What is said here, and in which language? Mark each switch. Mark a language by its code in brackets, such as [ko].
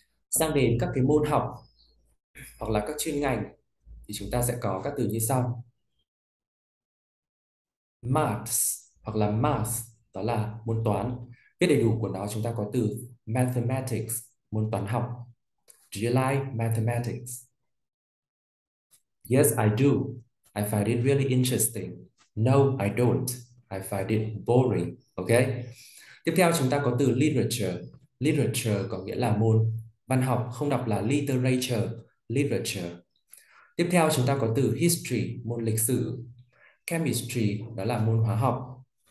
[vi] Sang đến các cái môn học hoặc là các chuyên ngành thì chúng ta sẽ có các từ như sau. Maths hoặc là math đó là môn toán. Viết đầy đủ của nó chúng ta có từ mathematics, môn toán học. [en] Do you like mathematics? Yes, I do. I find it really interesting. No, I don't. I find it boring. Okay. [vi] Tiếp theo chúng ta có từ literature. Literature có nghĩa là môn văn học, không đọc là literature, literature. Tiếp theo chúng ta có từ history, môn lịch sử. Chemistry đó là môn hóa học.